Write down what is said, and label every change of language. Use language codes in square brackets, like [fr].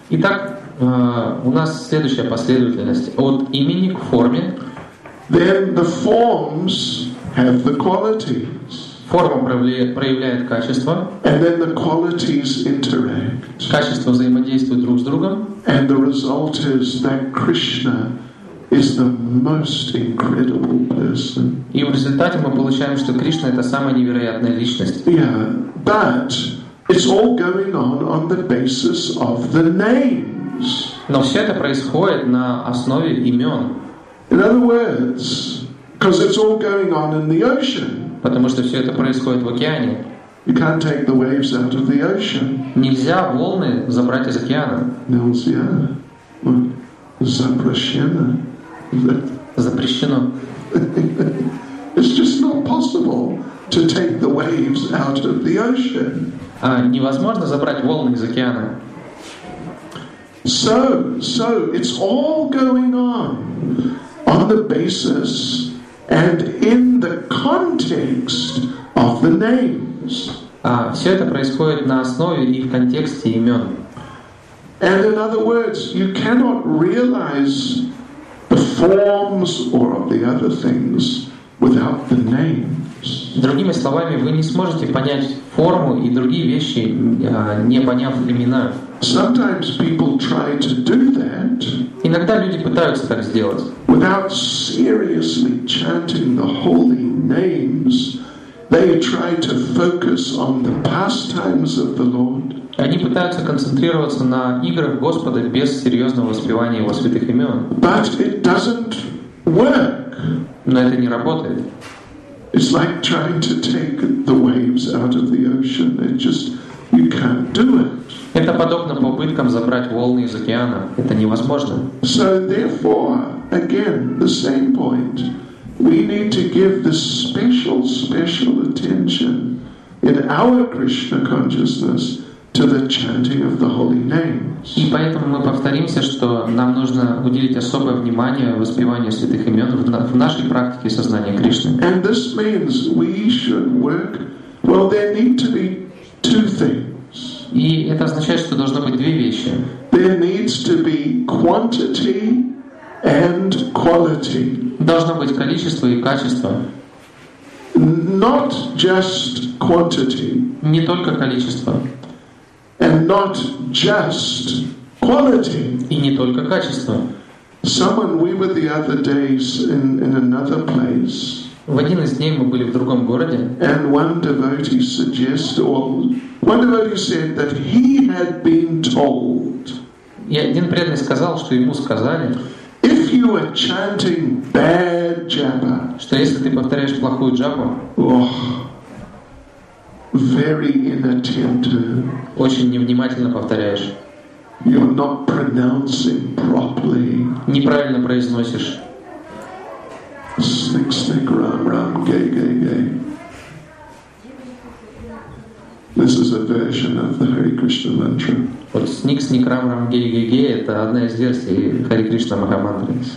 [ru] Итак, у нас следующая последовательность от имени к форме. [en] Then the forms have the qualities. [ru] Форма проявляет качества. [en] And then the qualities interact. [ru] Качества взаимодействуют друг с другом. [en] And the result is that Krishna is the most incredible person. [ru] И в результате мы получаем, что Кришна — это самая невероятная личность. [en] Yeah, but it's all going on the basis of the names. [ru] Но все это происходит на основе имен. [en] In other words, because it's all going on in the ocean. [ru] Потому что все это происходит в океане. [en] You can't take the waves out of the ocean. [ru] Нельзя волны забрать из океана. Нельзя. Запрещено. Запрещено. [en] It's just not possible to take the waves out of the ocean. [ru] А невозможно забрать волны из океана. [en] So it's all going on the basis and in the context of the names. [ru] А все это происходит на основе и в контексте имен. [en] And in other words, you cannot realize the forms or the other things without the names. [ru] Другими словами, вы не сможете понять форму и другие вещи, не поняв имена. [en] Sometimes people try to do that. [ru] Иногда люди пытаются так сделать. [en] Without seriously chanting the holy names, they try to focus on the pastimes of the Lord. [ru] Они пытаются концентрироваться на играх Господа без серьезного воспевания Его святых имен. [en] But it doesn't work. [ru] Но это не работает. [en] It's like trying to take the waves out of the ocean. It just, you can't do it. [ru] Это подобно попыткам забрать волны из океана. Это невозможно. [en] So therefore, again, the same point. We need to give this special attention in our Krishna consciousness to the chanting of the holy names. [ru] И поэтому мы повторимся, что нам нужно уделить особое внимание воспеванию святых имен в нашей практике сознания Кришны. [en] And this means we should work. Well, there need to be two things. [ru] И это означает, что должно быть две вещи. [en] There needs to be quantity and quality. [ru] Должно быть количество и качество. [en] Not just quantity. [ru] Не только количество. [en] And not just quality. [ru] И не только качество. [en] Someone, we were the other days in another place. [ru] В один из дней мы были в другом городе. [en] And one devotee said that he had been told. [ru] И один преданный сказал, что ему сказали. [en] If you are chanting bad japa, [ru] что если ты повторяешь плохую джапу, [en] oh, very inattentive, [ru] очень невнимательно повторяешь, [en] you're not pronouncing properly, [ru] неправильно произносишь, six six ram ram gay gay gay. [en] This is a version of the Hare Krishna mantra. [ru] Вот сник сник рам рам гей гей гей — это одна из версий Хари Кришна Махамантры.